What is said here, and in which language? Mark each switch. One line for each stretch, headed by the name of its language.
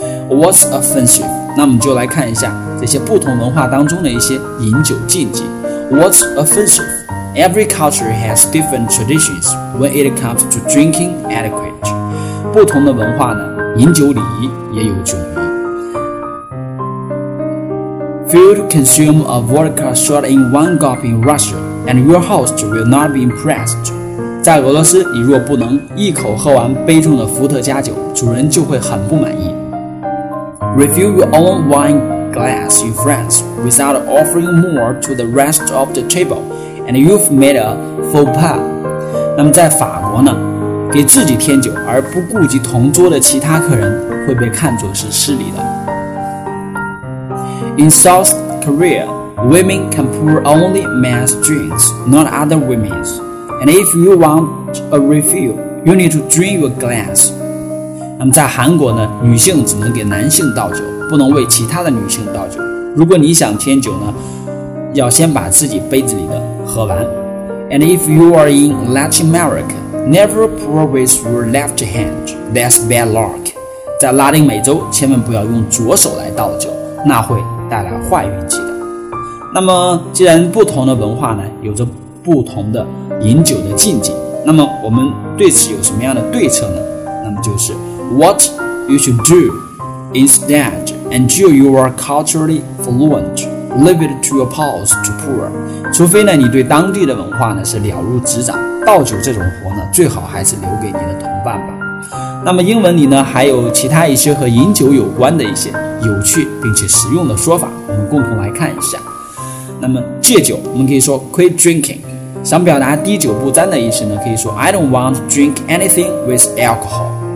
English: What's offensive，
Chinese: 那么就来看一下这些不同文化当中的一些饮酒禁忌。
English: What's offensive， Every culture has different traditions when it comes to drinking etiquette。
Chinese: 不同的文化呢饮酒礼仪也有迥异。
English: Failed to consume a vodka shot in one gulp in Russia, and your host will not be impressed.
Chinese: 在俄罗斯，你若不能一口喝完杯中的伏特加酒，主人就会很不满意。
English: Refill your own wine glass in France without offering more to the rest of the table, and you've made a faux pas.
Chinese: 那么在法国呢，给自己添酒而不顾及同桌的其他客人，会被看作是失礼的。
English: In South Korea, women can pour only men's drinks, not other women's. And if you want a refill, you need to drink your glass.
Chinese: 那么在韩国呢，女性只能给男性倒酒，不能为其他的女性倒酒。如果你想添酒呢，要先把自己杯子里的喝完。
English: And if you are in Latin America, never pour with your left hand. That's bad luck.
Chinese: 在拉丁美洲，千万不要用左手来倒酒，那会带来坏运气的。那么既然不同的文化呢有着不同的饮酒的禁忌，那么我们对此有什么样的对策呢？那么就是
English: What you should do instead until you are culturally fluent, leave it to your pals to pour.
Chinese: 除非呢你对当地的文化呢是了如指掌，倒酒这种活呢最好还是留给你的同伴吧。那么英文里呢还有其他一些和饮酒有关的一些有趣并且实用的说法，我们共同来看一下。那么戒酒我们可以说 quit drinking， 想表达滴酒不沾的意思呢可以说
English: I don't want to drink anything with alcohol。